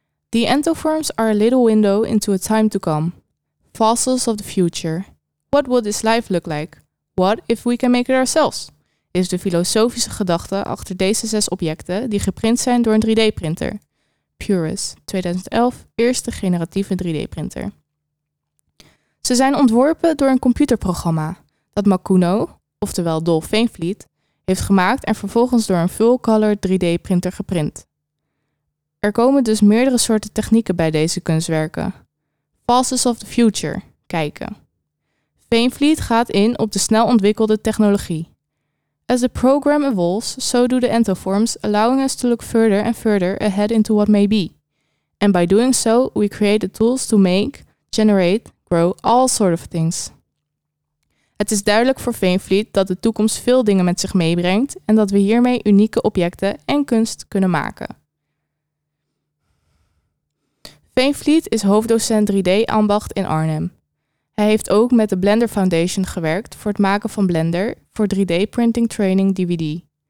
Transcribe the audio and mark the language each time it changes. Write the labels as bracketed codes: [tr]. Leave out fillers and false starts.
[en] The Entoforms are a little window into a time to come. Fossils of the future. What will this life look like? What if we can make it ourselves? [nl] Is de filosofische gedachte achter deze zes objecten die geprint zijn door een 3D-printer. Purus, 2011, eerste generatieve 3D-printer. Ze zijn ontworpen door een computerprogramma dat Makuno, oftewel Dolph Veenvliet, heeft gemaakt en vervolgens door een full-color 3D-printer geprint. Er komen dus meerdere soorten technieken bij deze kunstwerken. [en] Fossils of the future, [nl] kijken. Veenvliet gaat in op de snel ontwikkelde technologie. [en] As the program evolves, so do the Entoforms, allowing us to look further and further ahead into what may be. And by doing so, we create the tools to make, generate, grow all sorts of things. [nl] Het is duidelijk voor Veenvliet dat de toekomst veel dingen met zich meebrengt en dat we hiermee unieke objecten en kunst kunnen maken. Veenvliet is hoofddocent 3D-ambacht in Arnhem. Hij heeft ook met de Blender Foundation gewerkt voor het maken van Blender voor 3D-printing training DVD.